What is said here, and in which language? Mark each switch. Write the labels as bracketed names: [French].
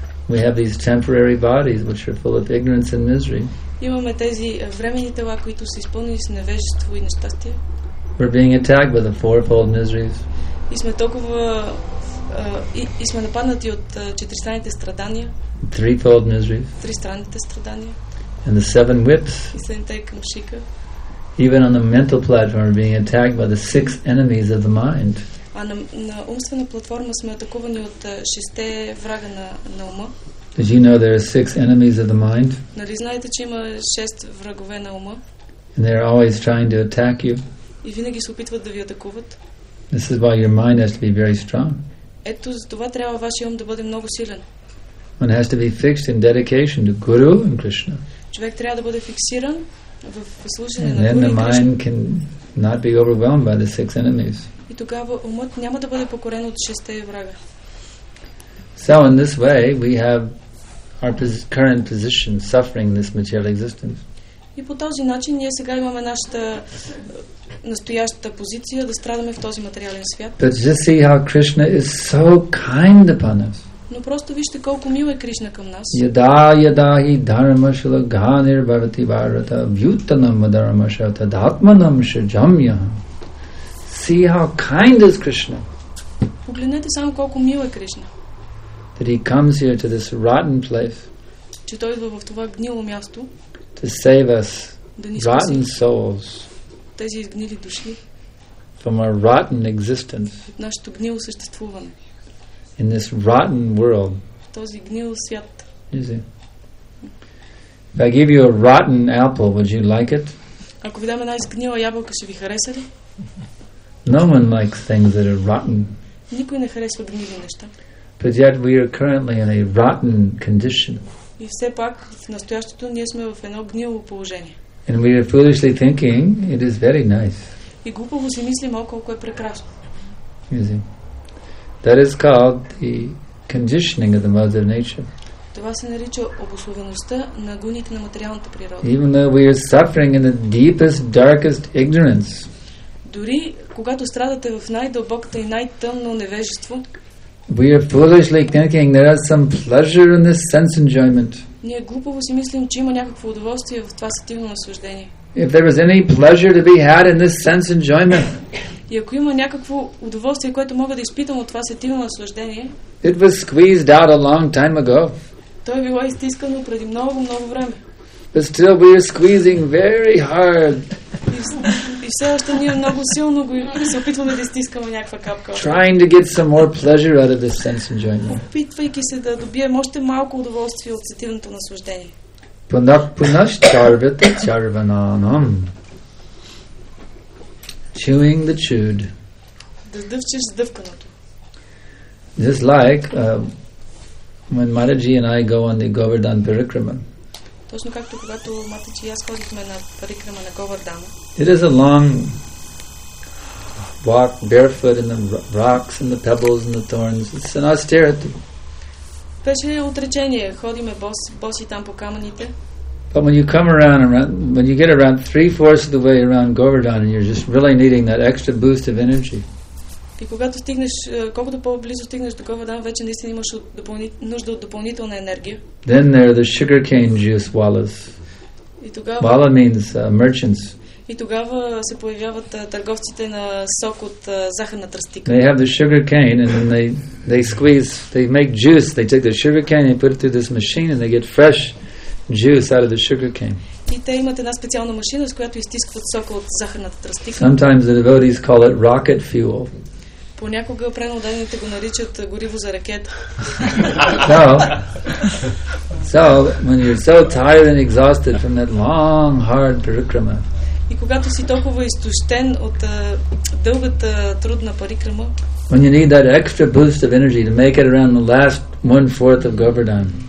[English] We have these temporary bodies which are full of ignorance and misery. [Bulgarian] Имаме тези временни тела, които са изпълнени с невежество и нещастие. [English] We're being attacked by the fourfold miseries. [Bulgarian] И сме толкова и сме нападнати от четиристранните страдания. [English] Threefold miseries. [Bulgarian] Тристранните страдания. [English] And the seven whips. [Bulgarian] И седемте камшика. [English] Even on the mental platform we're being attacked by the six enemies of the mind. [Bulgarian] А на умствена платформа сме атакувани от шесте врага на ума. [English] Did you know there are six enemies of the mind? [Bulgarian] Нали знаете, че има шест врагове на ума? [English] And they're always trying to attack you. [Bulgarian] И винаги се опитват да ви атакуват. [English] This is why your mind has to be very strong. [Bulgarian] Ето за това трябва вашия ум да бъде много силен. [English] One has to be fixed in dedication to Guru and Krishna. [Bulgarian] Човек трябва да бъде фиксиран в служение на [English] Guru и Krishna. And then the mind can not be overwhelmed by the six enemies. [Bulgarian] И тогава умът няма да бъде покорен от шесте врага. [English] So in this way we have our current position suffering this material existence. [Bulgarian] И по този начин ние сега имаме нашата настоящата позиция да страдаме в този материален свят. [English] But just see how Krishna is so kind upon us. [Bulgarian] Но просто вижте колко мил е Кришна към нас. [Sanskrit] Yada yada hi dharma shalaghanir bharati bharata vyutanam dharma shata dhatmanam shajamya. [English] See how kind is Krishna. [Bulgarian] Погледнете само колко мил е Кришна. [English] That he comes here to this rotten place. [Bulgarian] Че той идва в това гнило място. [English] To save us, rotten souls. [Bulgarian] Тези изгнили души. [English] From our rotten existence. [Bulgarian] От нашето гнило съществуване. [English] In this rotten world. [Bulgarian] В този гнил свят. [English] Is it? If I give you a rotten apple, would you like it? [Bulgarian] Ако ви дам една изгнила ябълка, ще ви хареса ли? [English] No one likes things that are rotten. [Bulgarian] Никой не харесва гнили неща. [English] But yet we are currently in a rotten condition. [Bulgarian] И все пак в настоящето ние сме в едно гнило положение. [English] And we are foolishly thinking it is very nice. [Bulgarian] И глупаво си мислим колко е прекрасно. [English] Easy. That is called the conditioning of the mother nature. [Bulgarian] Това се нарича обусловеността на гуните на материалната природа. [English] Even though we are suffering in the deepest, darkest ignorance. [Bulgarian] Дори когато страдате в най-дълбоката и най-тъмно невежество. [English] We are foolishly thinking there is some pleasure in this sense enjoyment. [Bulgarian] Ние глупаво си мислим, че има някакво удоволствие в това сетивно наслаждение. [English] If there is any pleasure to be had in this sense enjoyment. [Bulgarian] И ако има някакво удоволствие, което мога да изпитам от това сетивно наслаждение. [English] It was squeezed out a long time ago. [Bulgarian] То е било изтискано преди много, много време. [English] But still we are squeezing very hard. [Bulgarian] И все още ние много силно го се опитваме да стискаме някаква капка. [English] Trying to get some more pleasure out of this sense enjoyment. [Bulgarian] Опитвайки се да добием още малко удоволствие от сетивното наслаждение. [Sanskrit] Пунаш чарвата чарвананам. [English] Chewing the chewed. [Bulgarian] Да дъвчеш дъвканото. [English] Just like when Mataji and I go on the Govardhan Parikrama. [Bulgarian] Точно както когато Матичи и аз ходихме на парикрама на Говардан. [English] It is a long walk barefoot in the rocks and the pebbles and the thorns. It's an austerity. [Bulgarian] Беше отречение. Ходиме боси там по камъните. [English] But when you come around and around, when you get around three-fourths of the way around Govardhan and you're just really needing that extra boost of energy. [Bulgarian] И когато стигнеш, колкото по-близо стигнеш до Говардан, вече наистина имаш нужда от допълнителна енергия. [English] Then there are the sugarcane juice wallahs. [Bulgarian] И тогава [English] Wallah means merchants. [Bulgarian] И тогава се появяват търговците на сок от захарна тръстика. [English] They have the sugar cane and then they squeeze, they make juice. They take the sugar cane and put it through this machine and they get fresh juice out of the sugar cane. [Bulgarian] И те имат една специална машина, с която изтискват сока от захарната тръстика. [English] Sometimes the devotees call it rocket fuel. [Bulgarian] Понякога преноданите го наричат гориво за ракета. [English] So when you're so tired and exhausted from that long, hard parikrama. [Bulgarian] И когато си толкова изтощен от дългата трудна парикрама. [English] When you need that extra boost of energy to make it around the last one-fourth of Govardhan.